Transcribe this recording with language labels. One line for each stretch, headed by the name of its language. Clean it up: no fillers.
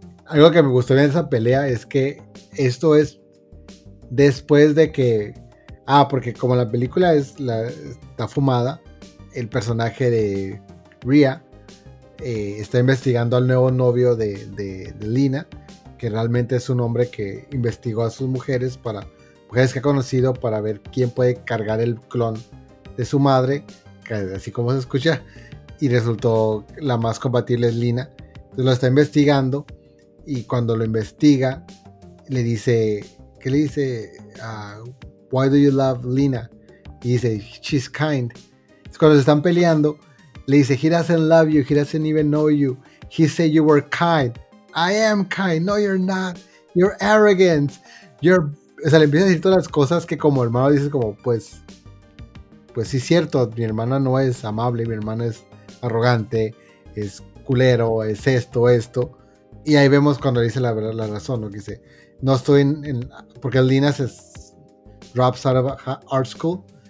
Spanish: Algo que me gustó bien de esa pelea es que esto es después de que, porque como la película es está fumada, el personaje de Rhea está investigando al nuevo novio de Lena, que realmente es un hombre que investigó a sus mujeres, para mujeres que ha conocido, para ver quién puede cargar el clon de su madre, que así como se escucha, y resultó la más compatible es Lena. Entonces lo está investigando, y cuando lo investiga, le dice, ¿qué le dice?
English: Why do you love Lena?
Spanish: Y dice,
English: she's kind.
Spanish: Entonces, cuando se están peleando, le dice,
English: he doesn't love you, he doesn't even know you, he said you were kind. I am kind, no you're not, you're arrogant, you're...
Spanish: O sea, le empieza a decir todas las cosas que como hermano dices como, pues sí es cierto, mi hermana no es amable, mi hermana es arrogante, es culero, es esto, Y ahí vemos cuando dice la verdad, la razón, ¿no? Que dice, no estoy en porque Lina se
English: drops out of art school.